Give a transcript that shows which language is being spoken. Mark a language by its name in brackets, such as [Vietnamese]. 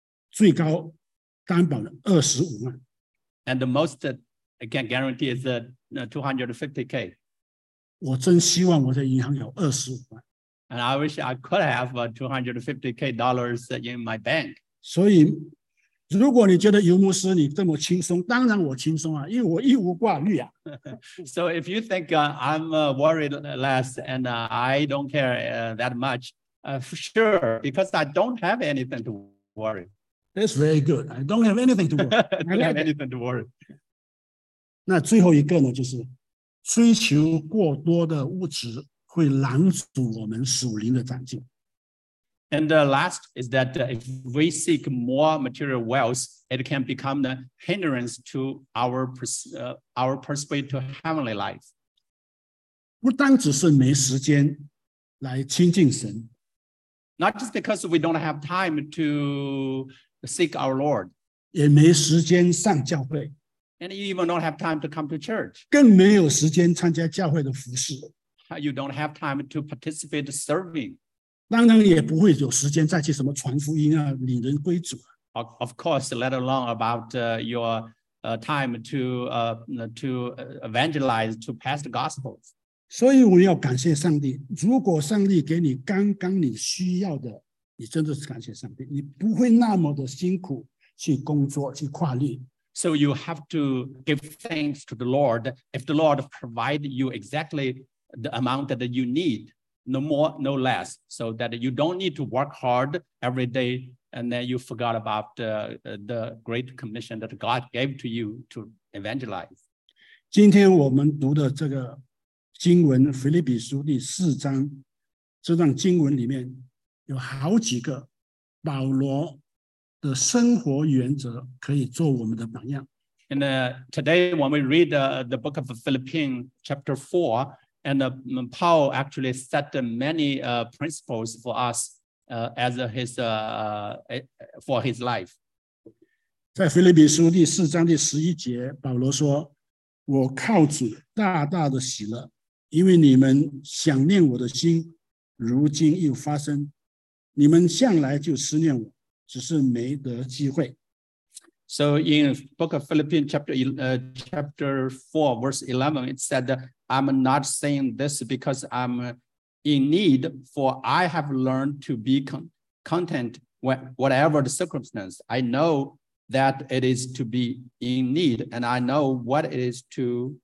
[Chinese] 最高担保了25万。 [English] And the most I can guarantee is 250K. [Chinese] 我真希望我在银行有25万。 [English] And I wish I could have $250K in my bank. [Chinese] 所以如果你觉得尤牧师你这么轻松，当然我轻松啊，因为我一无挂虑啊。 [English] So if you think I'm worried less and I don't care that much, sure, because I don't have anything to worry. That's very good. I don't have anything to worry. I don't have anything to worry. [Chinese] 那最后一个呢，就是追求过多的物质会拦阻我们属灵的长进。 [English] And the last is that if we seek more material wealth, it can become a hindrance to our pursuit to heavenly life. [Chinese] 不单只是没时间来亲近神。 [English] Not just because we don't have time to seek our Lord. [Chinese] 也没时间上教会。 [English] And you even don't have time to come to church. [Chinese] 更没有时间参加教会的服事。 [English] You don't have time to participate in serving. [Chinese] 当然也不会有时间再去什么传福音啊，领人归主、啊。 [English] Of course, let alone about your time to evangelize, to pass the gospel. [Chinese] 所以我要感谢上帝。如果上帝给你刚刚你需要的，你真的是感谢上帝，你不会那么的辛苦去工作去跨立。 [English] So you have to give thanks to the Lord if the Lord provide you exactly the amount that you need.No more, no less, so that you don't need to work hard every day and then you forgot about the great commission that God gave to you to evangelize. [Chinese] 今天我们读的这个经文，腓立比书第四章，这段经文里面有好几个保罗的生活原则可以做我们的榜样。 [English] And today when we read the book of Philippians chapter 4, and Paul actually set many principles for us as his, for his life. [Chinese] 在腓立比书第四章第十一节，保罗说，我靠主大大的喜乐，因为你们想念我的心，如今又发生。你们向来就思念我，只是没得机会。 [English] So in book of Philippians chapter 4, verse 11, it said, I'm not saying this because I'm in need, for I have learned to be content whatever the circumstance. I know that it is to be in need, and I know what it is to...